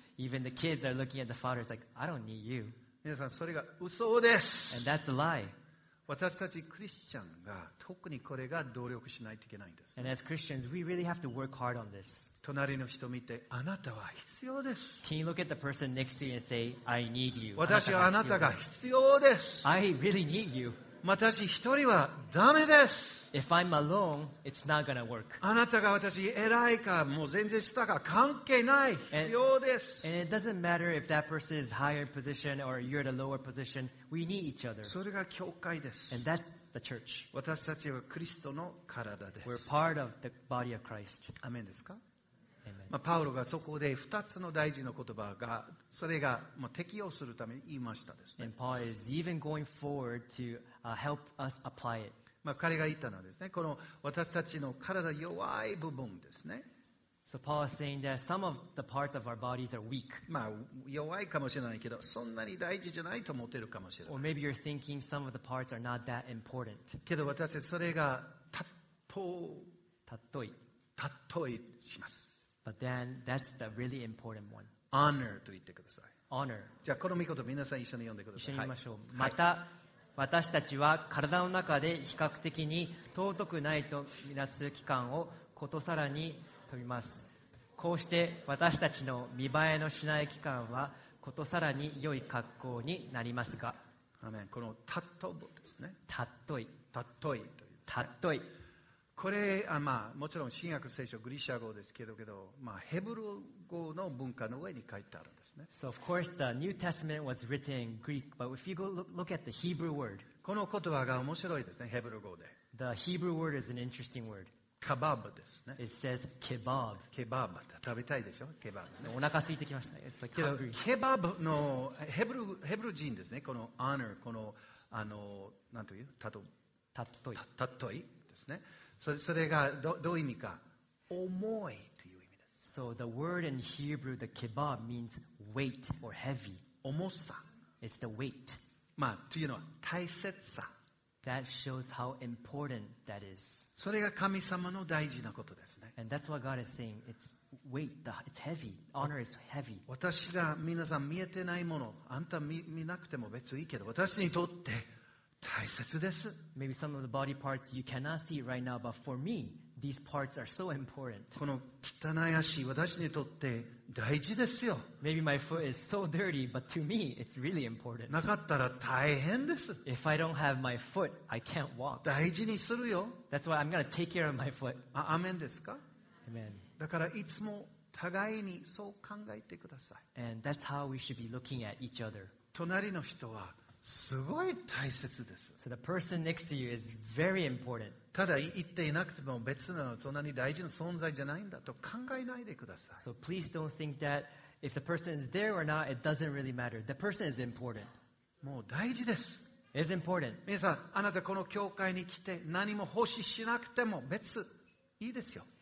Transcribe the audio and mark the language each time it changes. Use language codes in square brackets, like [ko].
[en] Even the kids are looking at the father's like I don't need you。 [ja] 皆さんそれが嘘です。 [en] And that's a lie。 [ja] 私たちクリスチャンが特にこれが努力しないといけないんです。 [en] And as Christians, we really have to work hard on this. [ja] 隣の人見て、あなたは必要です。 [en] Can you look at the person next to you and say, I need you? [ja] 私はあなたが必要です。 [en] I really need you. [ja] 私一人はダメです。 [en] If I'm alone, it's not gonna work. [ja] あなたが私偉いか、もう全然下か、関係ない。必要です。 [en] And it doesn't matter if that person is higher position or you're the lower position. We need each other. [ja] それが教会です。 [en] And that's the church. [ja] 私たちはクリストの体です。 [en] We're part of the body of Christ. [ja] アメンですか？まあ、パウロがそこで2つの大事な言葉がそれがまあ適用するために言いましたですね。 [en] And Paul is even going forward to help us apply it. [ja] まあ、彼が言ったのはですね、この私たちの体弱い部分ですね。 [en] So Paul is saying that some of the parts of our bodies are weak. [ja] まあ弱いかもしれないけど、そんなに大事じゃないと思ってるかもしれない。 [en] Or maybe you're thinking some of the parts are not that important. [ja] けど私たちそれがたっといします。 [en] But then that's the really important one. [ja] Honor と言ってください。 [en] Honor. [ja] じゃあこの御言葉皆さん一緒に読んでください。一緒に言いましょう。はい、また。私たちは体の中で比較的に尊くないとみなす器官をことさらに飛びます。こうして私たちの見栄えのしない器官はことさらに良い格好になりますが、アメン。このたっとですね、たっといたっといというたっとい、これあ、まあ、もちろん新約聖書グリシャ語ですけど、まあ、ヘブル語の文化の上に書いてあるんですね。 [en] So of course the New Testament was written in Greek, but if you go look at the Hebrew word, [ja] この言葉が面白いですね、ヘブル語で。 [en] The Hebrew word is an interesting word. [ja] カバブですね。 [en] It says kebab. [ja] ケバブ。食べたいでしょ、ケバブ、ね。お腹空いてきました。 [en] It's like hungry. [ja] ケバブのヘブル人ですね、この honor、この、なんという、たとい。たっとい。たっといですね。それが どういう意味か、重いという意味です。 [en] So the word in Hebrew, the kebab, means weight or heavy. [ja] 重さ。 [en] It's the weight. [ja] まあ、というのは大切さ。 [en] That shows how important that is. [ja] それが神様の大事なことですね。 [en] And that's what God is saying. It's weight. It's heavy. Honor is heavy. [ja] 私が皆さん見えてないもの、あんた 見なくても別にいいけど、私にとって、大切です。 [en] Maybe some of the body parts you cannot see right now, but for me, these parts are so important. [ja] この汚い足、私にとって大事ですよ。 [en] Maybe my foot is so dirty, but to me, it's really important. [ja] なかったら大変です。 [en] If I don't have my foot, I can't walk. [ja] 大事にするよ。 [en] That's why I'm gonna take care of my foot. [ja] アメンですか？ [en] Amen. [ja] だからいつも互いにそう考えてください。 [en] And that's how we should be looking at each other. [ja] 隣の人はすごい大切です。 [en] So the person next to you is very important. [ja] ただ言っていなくても別のそんなに大事な存在じゃないんだと考えないでください。 [en] So please don't think that if the person is there or not, it doesn't really matter. The person is important. [ja] もう大事です。 [en] It's important. [ja] 皆さん、あなたこの教会に来て何も奉仕しなくても別いいですよ。